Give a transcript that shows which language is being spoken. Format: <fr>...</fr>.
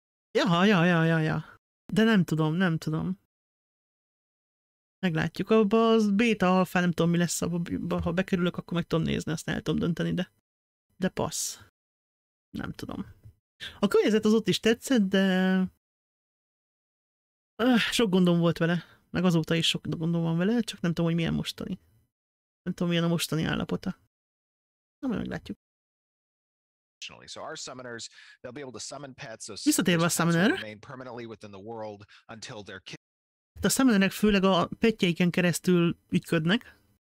<hu>Ja. De nem tudom. Meglátjuk, abba az beta, alfa, nem tudom, mi lesz, abba, ha bekerülök, akkor meg tudom nézni, azt el tudom dönteni, de passz. Nem tudom. A környezet az ott is tetszett, de sok gondom volt vele, meg azóta is sok gondom van vele, csak nem tudom, hogy milyen mostani. Nem tudom, milyen a mostani állapota. Na, majd meglátjuk.</hu> <en>So our summoners, they'll be able to summon pets, so</en> <hu>visszatérve a summoner.</hu> <en>Permanently within the world until their kill.</en> <hu>A summonerek főleg a petjeiken keresztül ütködnek.</hu>